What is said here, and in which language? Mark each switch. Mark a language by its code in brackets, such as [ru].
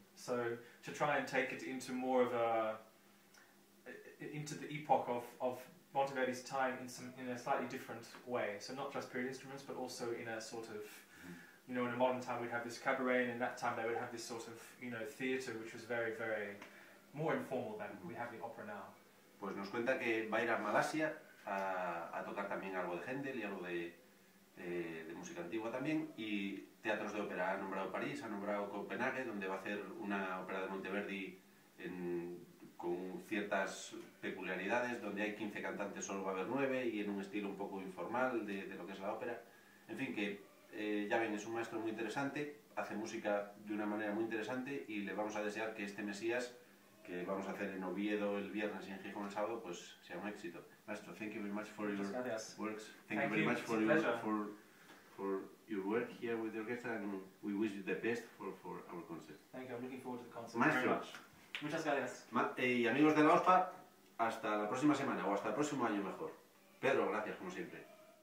[en] So to try and take it into more of into the epoch of Monteverdi's time in a slightly different way. So not just period instruments, but also in a sort of, you know, in a modern time we'd have this cabaret, and in that time they would have this sort of, you know, theatre, which was very, very more informal than we have the opera now. [es] Pues nos cuenta que va a ir a Malasia a tocar también algo de Händel y algo de música antigua también, y teatros de ópera. Ha nombrado París, ha nombrado Copenhague, donde va a hacer una ópera de Monteverdi con ciertas peculiaridades, donde hay 15 cantantes, solo va a haber 9, y en un estilo un poco informal de lo que es la ópera. En fin, que ya ven, es un maestro muy interesante, hace música de una manera muy interesante, y le vamos a desear que este Mesías, que vamos a hacer en Oviedo el viernes y en Gijón el sábado, pues sea un éxito. [en] Maestro, thank you very much for your works. Thank you very much for your work here with the orchestra, and we wish you the best for our concert. Thank you, I'm looking forward to the concert. Maestro. Very much. [es] Muchas gracias. Y amigos de la OSPA, hasta la próxima semana, o hasta el próximo año mejor. Pedro, gracias, como siempre.